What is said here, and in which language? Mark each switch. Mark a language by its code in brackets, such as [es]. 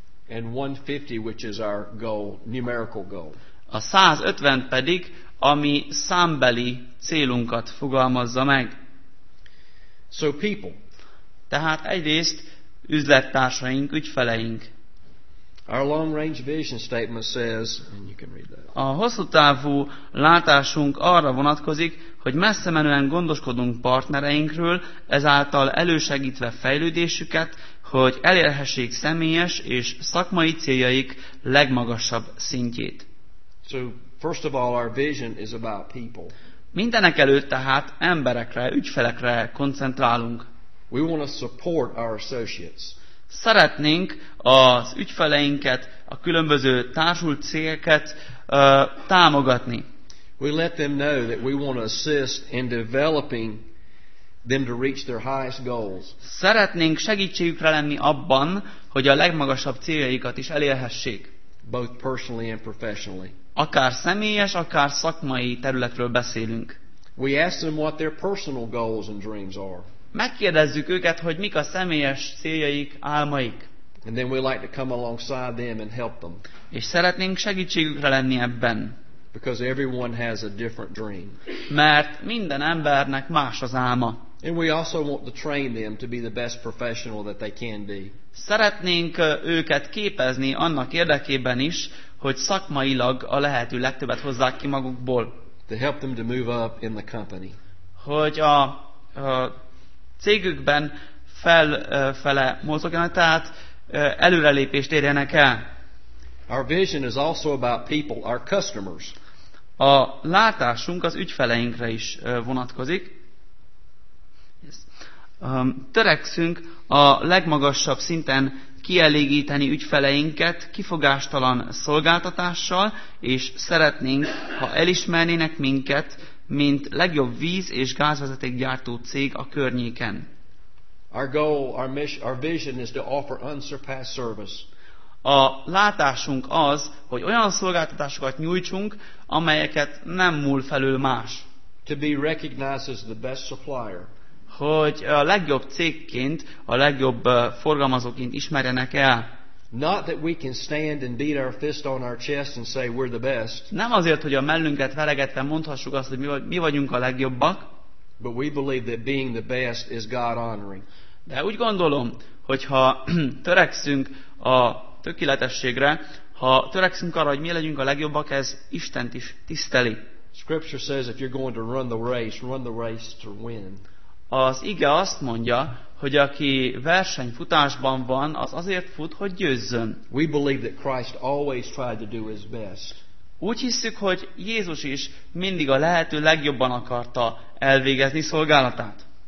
[en] And 150, which is our goal, numerical goal. [hu] A 150 pedig, ami számbeli célunkat fogalmazza meg. [en] So people. [hu] Tehát egyrészt üzlettársaink, ügyfeleink. [en] Our long range vision statement says, and you can read that. [hu] A hosszú távú látásunk arra vonatkozik, hogy messze menően gondoskodunk partnereinkről, ezáltal elősegítve fejlődésüket, hogy elérhessék személyes és szakmai céljaik legmagasabb szintjét. [en] So, first of all, our vision is about people. [hu] Mindenek előtt tehát emberekre, ügyfelekre koncentrálunk. [en] We want to support our associates. [hu] Szeretnénk az ügyfeleinket, a különböző társult cégeket támogatni. [en] We let them know that we want to assist in developing them to reach their highest goals. [hu] Szeretnénk segítségükre lenni abban, hogy a legmagasabb céljaikat is elérhessék. [en] Both personally and professionally. [hu] Akár személyes, akár szakmai területről beszélünk. [en] We ask them what their personal goals and dreams are. [hu] Megkérdezzük őket, hogy mik a személyes céljaik, álmaik. [en] And then we like to come alongside them and help them. [hu] És szeretnénk segítségükre lenni ebben. [en] Because everyone has a different dream. [hu] Mert minden embernek más az álma. [en] And we also want to train them to be the best professional that they can be. [hu] Szeretnénk őket képezni annak érdekében is, hogy szakmailag a lehető legtöbbet hozzák ki magukból. [en] To help them to move up in the company. [hu] Hogy a cégükben felfele mozogjanak, tehát előrelépést érjenek el. [en] Our vision is also about people, our customers. [hu] A látásunk az ügyfeleinkre is vonatkozik. Yes. Törekszünk a legmagasabb szinten kielégíteni ügyfeleinket kifogástalan szolgáltatással, és szeretnénk, ha elismernének minket, mint legjobb víz- és gázvezetékgyártó cég a környéken. [en] Our goal, our mission, our vision is to offer unsurpassed service. [hu] A látásunk az, hogy olyan szolgáltatásokat nyújtsunk, amelyeket nem múl felül más. [en] To be recognized as the best supplier. [hu] Hogy a legjobb cégként, a legjobb forgalmazóként ismerjenek el. [en] Not that we can stand and beat our fist on our chest and say we're the best. [hu] Nem azért, hogy a mellünket veregetve mondhassuk azt, hogy mi vagyunk a legjobbak. [en] But we believe that being the best is God honoring. [hu] De úgy gondolom, hogyha törekszünk a tökéletességre, ha törekszünk arra, hogy mi legyünk a legjobbak, ez Istent is tiszteli. [en] Scripture says if you're going to run the race to win. [hu] Az ige azt mondja, hogy aki versenyfutásban van, az azért fut, hogy győzzön. [en] We believe that Christ always tried to do his best. [hu] Úgy hiszük, hogy Jézus is mindig a lehető legjobban akarta elvégezni szolgálatát.